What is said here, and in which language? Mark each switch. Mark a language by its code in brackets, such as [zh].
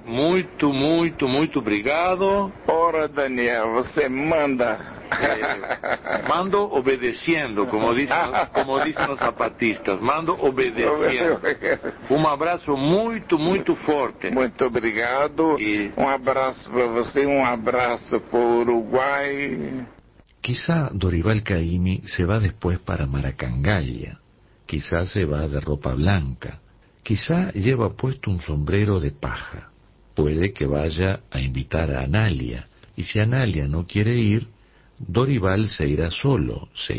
[pt] Muito, muito, muito obrigado. Ora, Daniel, você manda. [es] mando obedeciendo, como dicen os zapatistas, mando obedeciendo. [pt] Um abraço muito, muito forte. Muito obrigado. Um abraço para você, um abraço para o Uruguai. [es] Quizá Dorival Caymmi se va después para Maracangalla, quizá se va de ropa blanca, quizá lleva puesto un sombrero de paja. Puede que vaya a invitar a Analia, y si Analia no quiere ir, Dorival se irá solo.